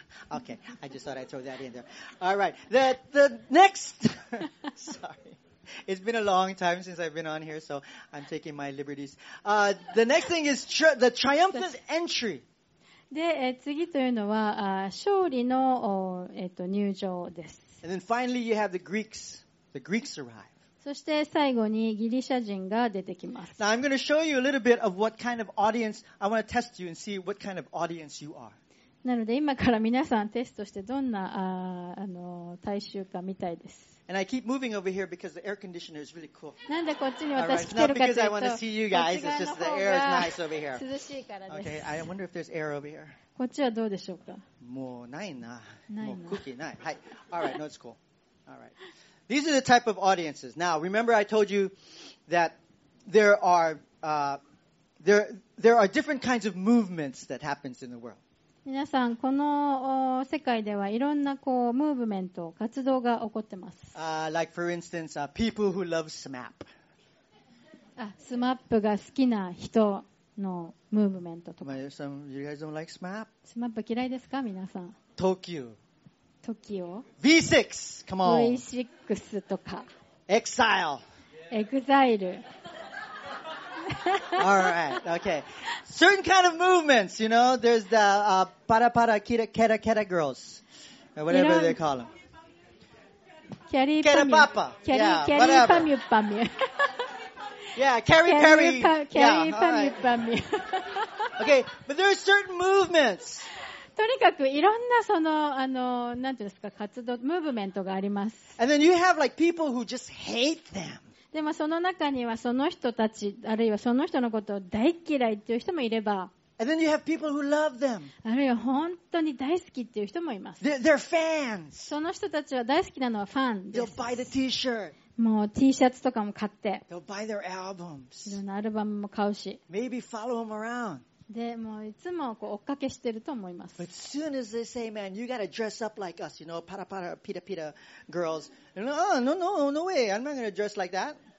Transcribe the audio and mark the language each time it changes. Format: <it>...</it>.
<en>Okay, I just thought I'd throw that in there. All right, the next. Sorry, it's been a long time since I've been on here, so I'm taking my liberties. The next thing is the triumphant entry.</en> <ja>で、次というのは勝利の入場です。</ja> <en>And then finally, you have the Greeks. The Greeks arrive.</en> <ja>そして最後にギリシャ人が出てきます。</ja> <en>Now I'm going to show you a little bit of what kind of audience. I want to test you and see what kind of audience you are.</en> <ja>なので今から皆さんテストしてどんな大衆かみたいです。</ja> <en>And I keep moving over here because the air conditioner is really cool.</en> <ja>なんでこっちに私来てるかというと、</ja> <en>not because I want to see you guys. It's just the air is nice over here.</en> <ja>涼しいからです。</ja> <en>Okay, I wonder if there's air over here.</en> <ja>こっちはどうでしょうか。もうないな。ないな。もう空気ない。はい。</ja> <en>All right, no, it's cool. All right. These are the type of audiences. Now, remember, I told you that there are different kinds of movements that happens in the world.</en> <ja>皆さん、この世界ではいろんなこうムーブメント、活動が起こってます。</ja> <en>Like for instance, people who love SMAP.</en> <ja>SMAP が好きな人のムーブメントとか。</ja> <en>Some of you guys don't like SMAP?</en> <ja>SMAP 嫌いですか皆さん。</ja> <en>Tokyo. Tokyo. V6! Come on!</en> <ja>V6 とか。</ja> <en>Exile! Exile! Alright, okay. Certain kind of movements, you know, there's the, para para kira kera kera girls, or whatever they call them. Kari papa. Kari pamyu pamyu. Yeah, Kari Perry. Kari pamyu pamyu. Okay, but there are certain movements.</en> <ja>とにかくいろんなその、なんていうんですか、活動、ムーブメントがあります。</ja> <en>And then you have like people who just hate them.</en> <ja>でもその中にはその人たちあるいはその人のことを大嫌いっていう人もいれば、</ja> <en>And then you have people who love them.</en> <ja>あるいは本当に大好きっていう人もいます。</ja> <en>They're fans.</en> <ja>その人たちは大好きなのはファンです。</ja> <en>They'll buy the T-shirt.</en> <ja>もう T シャツとかも買って。</ja> <en>They'll buy their albums.</en> <ja>いろんなアルバムも買うし。</ja> <en>Maybe follow them around.</en> <ja>でもいつもこう追っかけしてると思います。</ja> <en>But soon as they say, man, you gotta dress up like us, you know, para para, pita pita girls. No, no, no, no way, I'm not gonna dress like that.</en>